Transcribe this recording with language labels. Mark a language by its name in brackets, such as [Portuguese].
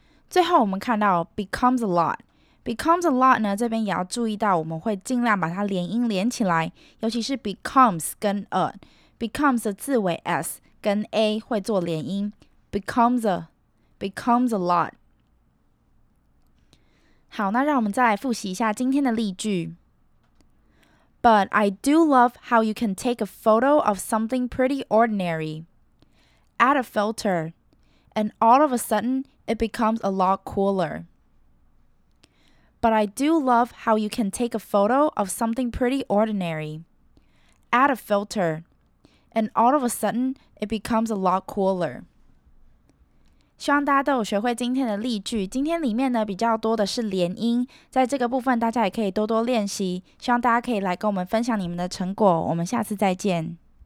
[Chinese] 最后我们看到 becomes a lot， becomes a lot 呢这边也要注意到我们会尽量把它连音连起来，尤其是 becomes 跟 a，becomes 的字尾 s 跟 a 会做连音， becomes a， becomes a lot。好，那让我们再来复习一下今天的例句。 [English] But I do love how you can take a photo of something pretty ordinary. Add a filter, and all of a sudden, it becomes a lot cooler. But I do love how you can take a photo of something pretty ordinary. Add a filter,And all of a sudden, it becomes a lot cooler. [Chinese] 希望大家都有学会今天的例句。今天里面呢比较多的是连音，在这个部分大家也可以多多练习。希望大家可以来跟我们分享你们的成果。我们下次再见。